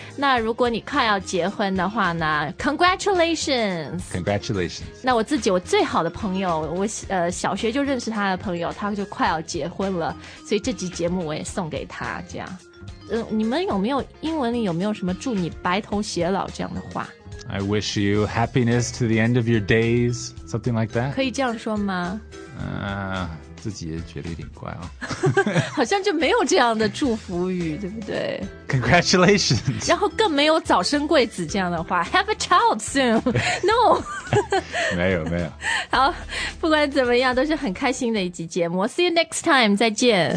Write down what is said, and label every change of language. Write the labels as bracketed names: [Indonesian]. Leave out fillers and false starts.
[Chinese] 那如果你快要结婚的话呢， [English] congratulations。 [Chinese] 那我最好的朋友，我小学就认识他的朋友，他就快要结婚了，所以这集节目我也送给他这样。你们有没有英文里有没有什么祝你白头偕老这样的话？ [English] I wish you happiness to the end of your days, something like that. [Chinese] 可以这样说吗？自己也觉得有点怪哦。好像就没有这样的祝福语，对不对？ [English] Congratulations. [Chinese] 然后更没有早生贵子这样的话。 [English] Have a child soon. No. [Chinese] 没有，没有。好，不管怎么样，都是很开心的一集节目。 [English] See you next time. [Chinese] 再见。